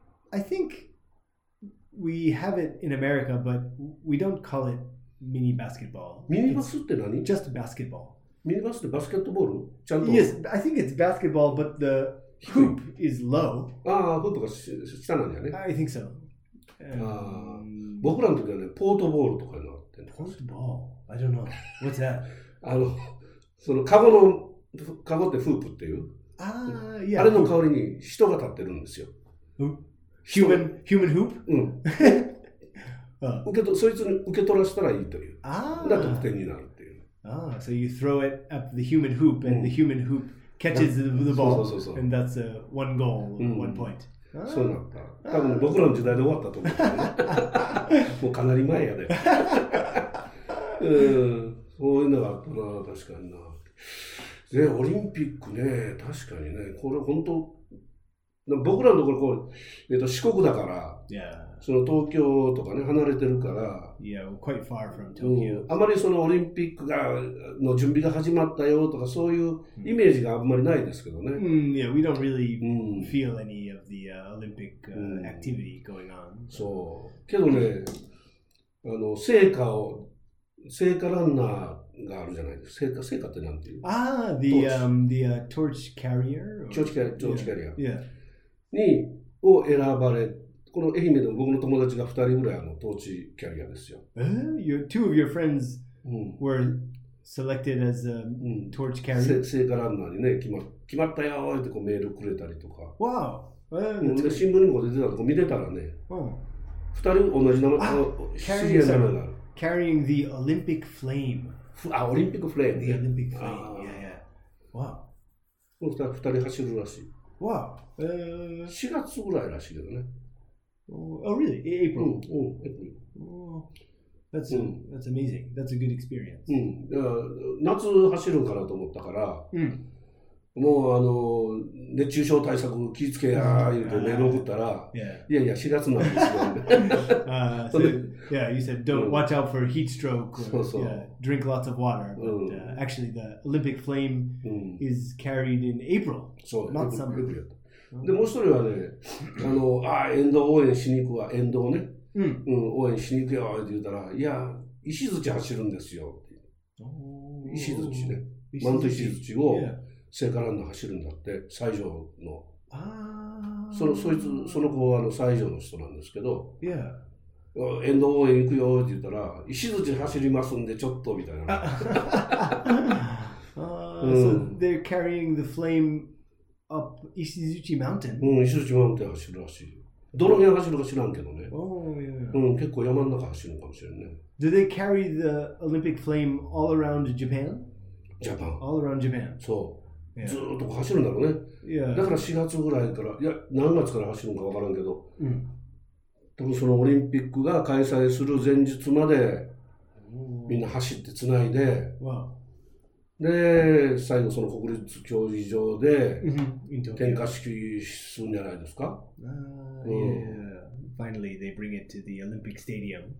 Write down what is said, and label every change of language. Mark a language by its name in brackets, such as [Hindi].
[English] I think we have it in America, but we don't call it mini basketball. [Japanese] Minibus って何? [English] Just basketball. [Japanese] Minibus ってバスケットボール?ちゃんと? [English] Yes, I think it's basketball, but the hoop is low. [Japanese] ああ、ホップが下なんやね。 [English] I think so. [Japanese] ああ、僕らの時はね、ポートボールとかになって [English] る。ポートボール?I don't know. What's that? [Japanese] あの、そのカゴのカゴってフープっていう [English] yeah, [Japanese] あれの代わりに人が立ってるんですよ。 [English] Human hoop? [Japanese] うん。そいつに受け取らせたらいいという。な得点になるっていう。 [English] So you throw it up the human hoop and the human hoop catches the ball [Japanese] そう [English] and that's a one goal, one point. [Japanese] そうなった。多分僕らの時代で終わったと思う。もうかなり前やで。そういうのがあったな、確かにな。ね、オリンピックね、確かにね、これ本当、僕らのところこう、四国だから、 [English] yeah. [Japanese] その東京とかね、離れてるから、 [English] yeah, we're quite far from Tokyo. [Japanese] あまりそのオリンピックがの準備が始まったよとか、そういうイメージがあんまりないですけどね。 [English] Yeah, we don't really feel any of the Olympic activity going on. [Japanese] そう。けどね、あの、聖火ランナーがあるじゃないですか。聖火ってなんていう？ [English] ああ、the torch carrier? Torch carrier. Yeah. [Japanese] にを選ばれ、この愛媛でも僕の友達が2人ぐらいのトーチキャリアですよ。 [English] Two of your friends were selected as a torch carrier? [Japanese] 聖火ランナーにね、決まったよーってこうメールくれたりとか。 [English] Wow! [Japanese] で新聞にも出てたとこ見てたらね、 [English] oh. [Japanese] 2人同じ名前、シリアの名前がある。 [English] Carrying the Olympic flame. [Japanese] あ、オリンピックフレーム。 [English] The Olympic flame, yeah, yeah. Wow! [Japanese] 2人走るらしい。 [English] Wow. [Japanese] 4月ぐらいらしいけどね。 [English] Oh, really? April? April. That's amazing. That's a good experience. [Japanese] 夏走るかなと思ったから、もうあの熱中症対策気付けやー言うて連絡送ったら、 [English] yeah. [Japanese] いやいや、4月なんですよ。 [English] so, yeah, you said, don't watch out for heat stroke, [Japanese] or, そうそう [English] yeah, drink lots of water. But actually, the Olympic flame is carried in April. [Japanese] そう、 [English] not summer. April. [Japanese] でもう一人はね、あの、あ、沿道応援しに行くわ、沿道ね、応援しに行くよって言ったら、いや、石槌走るんですよ。石槌ね、マント石槌を聖火ランナー走るんだって、西条の。あ、その子はあの西条の人なんですけど、 [English] yeah. [Japanese] 沿道応援行くよって言ったら、石槌走りますんでちょっとみたいな。 [English] so they're carrying the flame up 石槌 mountain? [Japanese] 石槌 mountain 走るらしい。どの辺走るか知らんけどね。 [English] Oh, yeah. [Japanese] 結構山の中走るかもしれないね。 [English] Do they carry the Olympic flame all around Japan? Japan. All around Japan. [Japanese] そう。Yeah. ずっと走るんだろうね。 [English] Yeah. [Japanese] だから4月ぐらいから、いや、何月から走るのか分からんけど、多分そのオリンピックが開催する前日まで、みんな走ってつないで、で、最後その国立競技場で、点火式するんじゃないですか。 [English] Yeah. Finally, they bring it to the Olympic Stadium.